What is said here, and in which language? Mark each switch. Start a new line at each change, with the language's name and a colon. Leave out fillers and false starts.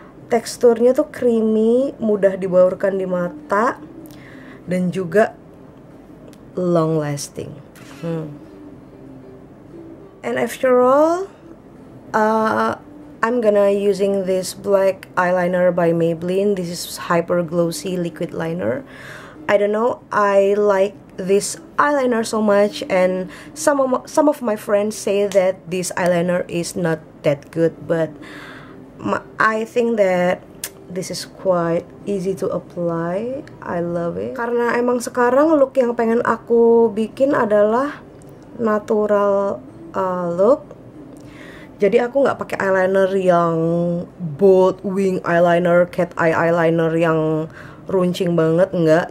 Indonesian: Teksturnya tuh creamy, mudah dibaurkan di mata dan juga long lasting.
English: And after all, I'm gonna using this black eyeliner by Maybelline. This is Hyper Glossy Liquid Liner. I don't know, I like this eyeliner so much, and some of my friends say that this eyeliner is not that good, but I think that this is quite easy to apply. I love it.
Indonesian: Karena emang sekarang look yang pengen aku bikin adalah natural look. Jadi aku nggak pakai eyeliner yang bold wing eyeliner, cat eye eyeliner yang runcing banget, enggak.